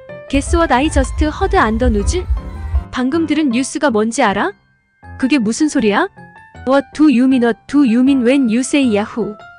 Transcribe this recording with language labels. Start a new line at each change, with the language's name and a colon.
English: Guess what I just heard and the news?
Korean: 방금 들은 뉴스가 뭔지 알아? 그게 무슨 소리야?
English: What do you mean? What do you mean when you say Yahoo?